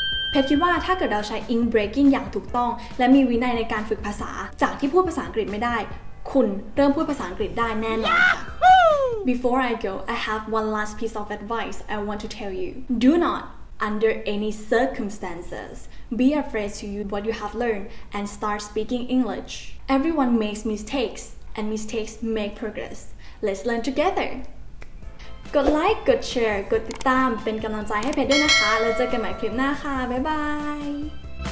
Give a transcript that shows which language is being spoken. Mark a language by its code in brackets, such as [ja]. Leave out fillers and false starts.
[th] เพชรคิดว่าถ้าเกิดเราใช้ in breaking อย่างถูกต้องและมีวินัยในการฝึกภาษาจากที่พูดภาษาอังกฤษไม่ได้คุณเริ่มพูดภาษาอังกฤษได้แน่นอนค่ะ [en] Before I go I have one last piece of advice I want to tell you do notUnder any circumstances, be afraid to use what you have learned and start speaking English. Everyone makes mistakes, and mistakes make progress. Let's learn together. [th] กด like, กด share, กดติดตามเป็นกำลังใจให้เพจด้วยนะคะแล้วเจอกันใหม่คลิปหน้าค่ะบ๊ายบาย